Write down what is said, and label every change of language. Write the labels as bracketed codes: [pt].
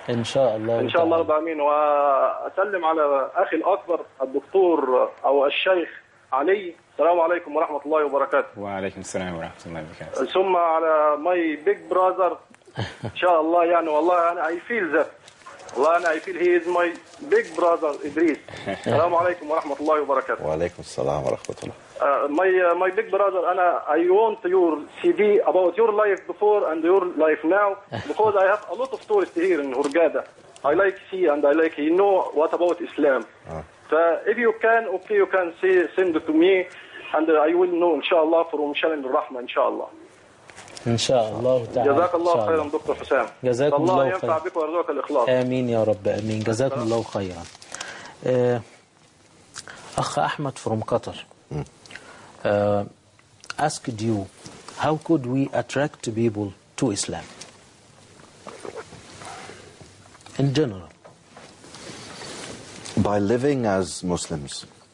[ar] إن شاء الله. إن شاء الله رب العالمين. وأسلم على أخي الأكبر الدكتور أو الشيخ علي. السلام عليكم ورحمة الله وبركاته. وعليكم السلام ورحمة الله وبركاته. ثم على [en] my big brother [ar] إن شاء الله يعني والله أنا [en] I feel that. [ar] والله أنا [en] I feel he is my big brother إدريس. [ar] السلام عليكم ورحمة الله وبركاته. وعليكم السلام ورحمة الله. [en] My big brother, أنا I want your CV about your life before and your life now because I have a lot of tourists here in Hurghada. I like to see and I like to know what about Islam. If you can, okay, you can say, send it to me and I will know inshallah from Shalim al-Rahma inshallah. [ar] إن شاء الله تعالى. جزاك الله خيرا دكتور حسام. جزاك الله خيرا. الله ينفع بك ويرزقك الإخلاص. آمين يا رب آمين. جزاك الله خيرا. أخ أحمد from قطر. [en] Asked you, how could we attract people to Islam? In general. By living as Muslims.